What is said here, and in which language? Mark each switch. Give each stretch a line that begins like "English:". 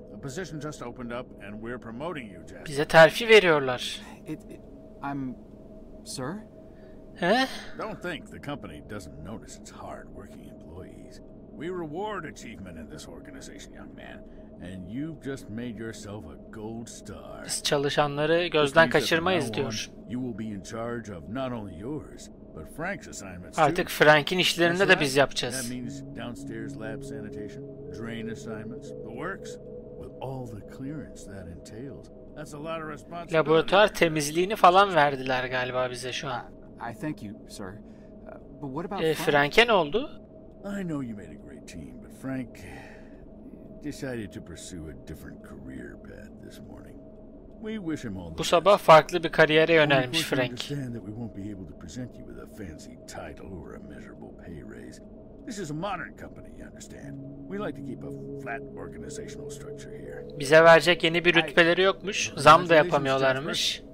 English: A position just opened up and we're promoting you, Jasper.
Turkish: Bize terfi veriyorlar.
English: I'm sir. Don't think the company doesn't notice its hard-working employees. We reward achievement in this organization, young man. And you've just made yourself a gold star.
Turkish: Biz çalışanları gözden kaçırmayız diyor.
English: You will be in charge of not only yours, but Frank's assignments too.
Turkish: Artık Frank'in işlerini de biz yapacağız.
English: That means downstairs lab sanitation, drain assignments, the works, with all the clearance that entails. That's a lot of responsibility.
Turkish: Laboratuvar temizliğini falan verdiler galiba bize şu an.
English: I thank you, sir. But what about
Turkish: Frank? Frank'e ne oldu?
English: I know you made a great team, but Frank decided to pursue a different career path this morning. We wish him all the
Turkish: Bu sabah farklı bir kariyere yönelmiş
English: best. Frank. Understand that we won't be able to present you with a fancy title or a measurable pay raise. This is a modern company, you understand. We like to keep a flat organizational structure here.
Turkish: Bize verecek yeni bir rütbeleri yokmuş. Zam da yapamıyorlarmış.